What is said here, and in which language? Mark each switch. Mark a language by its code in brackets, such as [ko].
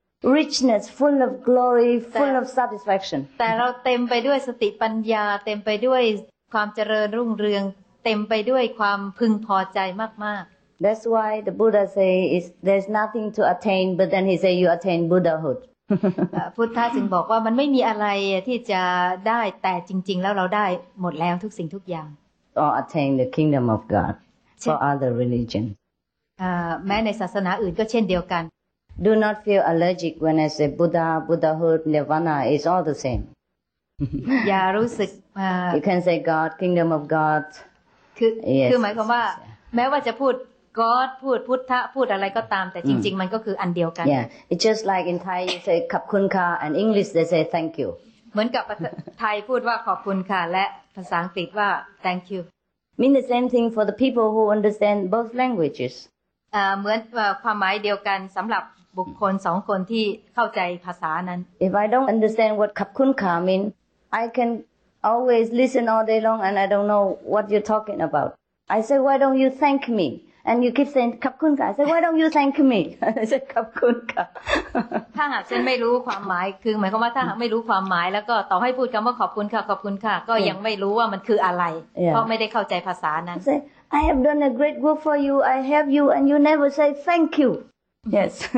[en] richness, full of glory, full of satisfaction. [th] แต่เราเต็มไปด้วยสติปัญญาเต็มไปด้วยความเจริญรุ่งเรืองเต็มไปด้วยความพึงพอใจมาก [en] ๆ That's why the Buddha say is there's nothing to attain, but then he say you attain Buddhahood. [th] พุทธะจึงบอกว่ามันไม่มีอะไรที่จะได้แต่จริงๆแล้วเราได้หมดแล้วทุกสิ่งทุกอย่าง [en] Or attain the kingdom of God for other religion. [th] แม้ในศาสนาอื่นก็เช่นเดียวกัน [en] Do not feel allergic when I say Buddha, Buddhahood, Nirvana. It's all the same. [th] อย่ารู้สึก [en] You can say God, Kingdom of God. [th] คือหมายความว่าแม้ว่าจะพูด God, พูดพุทธะพูดอะไรก็ตามแต่จริงๆมันก็คืออันเดียวกัน [en] Yeah, it's just like in Thai you say [th] ขอบคุณค่ะ [en] and English they say thank you. [th] เหมือนกับไทยพูดว่าขอบคุณค่ะและภาษาอังกฤษว่า [en] thank you. Mean the same thing for the people who understand both languages. [th] เหมือนความหมายเดียวกันสำหรับบุคคล2คนที่เข้าใจภาษานั้น [en] If I don't understand what [th] ขอบคุณค่ะ [en] mean I can always listen all day long and I don't know what you're talking about I say why don't you thank me and you keep saying ขอบคุณค่ะ I say why don't you thank me I say ขอบคุณค่ะ [th] ถ้าหากฉันไม่รู้ความหมายคือหมายความว่าถ้าหากไม่รู้ความหมายแล้วก็ต่อให้พูดคําว่าขอบคุณค่ะขอบคุณค่ะก็ยังไม่รู้ว่ามันคืออะไรเพราะไม่ได้เข้าใจภาษานั้น [en] I have done a great work for you I help you and you never say thank you yes